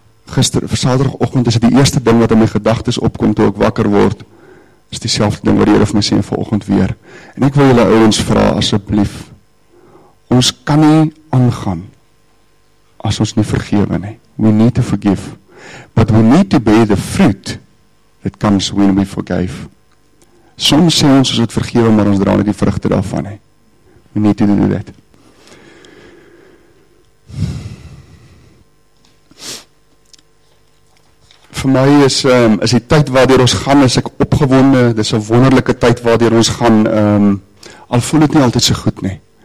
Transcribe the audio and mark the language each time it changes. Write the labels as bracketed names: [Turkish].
[Afrikaans] Saterdagoggend is die eerste ding wat in my gedagtes opkom toe ek wakker word, is dieselfde ding wat die Here vir my sê vanoggend weer. En ek wil julle ouens vra asseblief, ons kan nie aangaan as ons nie vergewe nie. [English] We need to forgive, but we need to bear the fruit that comes when we forgive. [Afrikaans] Soms sê ons ons het vergewe, maar ons dra nie die vrugte daarvan nie. [English] We need to do that. [Afrikaans] Vir my is die tyd waardeur ons gaan, is ek opgewonde, dis 'n wonderlike tyd waardeur ons gaan, al voel dit nie altyd so goed nie.